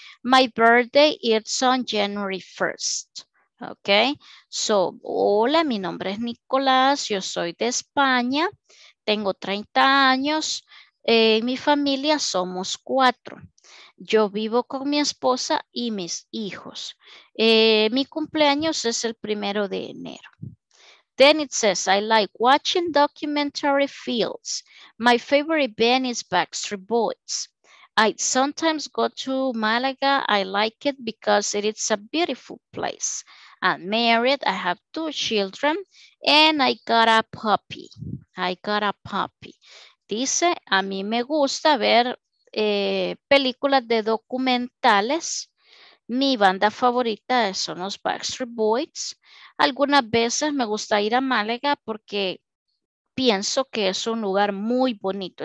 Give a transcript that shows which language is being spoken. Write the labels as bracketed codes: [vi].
[en] My birthday is on January 1st. Okay. [es] So, hola, mi nombre es Nicolas. Yo soy de España. Tengo 30 años. Mi familia somos 4. Yo vivo con mi esposa y mis hijos. Mi cumpleaños es el 1 de enero. [en] Then it says, I like watching documentary films. My favorite band is Backstreet Boys. I sometimes go to Malaga. I like it because it is a beautiful place. I'm married, I have two children, and I got a puppy. I got a puppy. [es] Dice, a mí me gusta ver películas de documentales. Mi banda favorita son los Backstreet Boys. Algunas veces me gusta ir a Málaga porque pienso que es un lugar muy bonito.